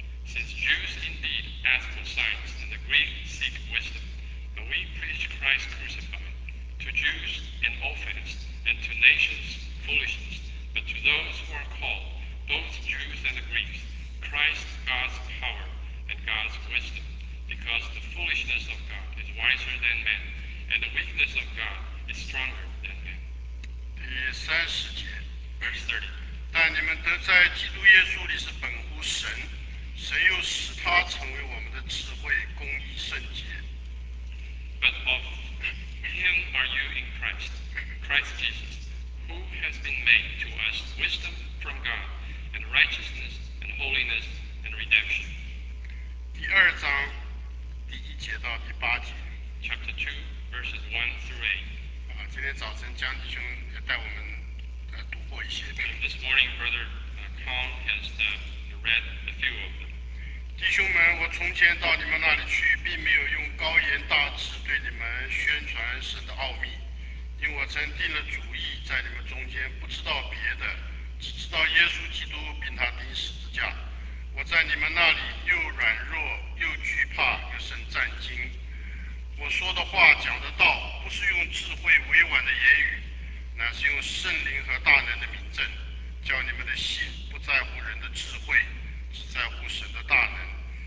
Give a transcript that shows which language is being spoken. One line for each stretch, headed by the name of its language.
English: Since Jews indeed ask for signs, and the Greeks seek wisdom, but we preach Christ crucified, to Jews an offense, and to nations foolishness, but to those who are called, both Jews and the Greeks, Christ God's power and God's wisdom. Because the foolishness of God is wiser than man, and the weakness of God is stronger than man.
Chinese: 第三十节
English: Verse 30.
Chinese: 但你们得在基督耶稣里是本乎神，神又使他成为我们的智慧、公义、圣洁。
English: But of him are you in Christ, Christ Jesus, who has been made to us wisdom from God, and righteousness, and holiness, and redemption.
Chinese: 第二章第一节到第八节
English: Chapter 2, verses 1-8.
Chinese: 今天早晨江弟兄也带我们读过一些
English: This morning, Brother Kong has read a few of them.
Chinese: 弟兄们，我从前到你们那里去，并没有用高言大志对你们宣传神的奥秘，因我曾定了主意，在你们中间不知道别的，只知道耶稣基督并他钉十字架。我在你们那里又软弱又惧怕又甚战惊，我说的话讲的道不是用智慧委婉的言语，乃是用圣灵和大能的名证，叫你们的信不在乎人的智慧，只在乎神的大能。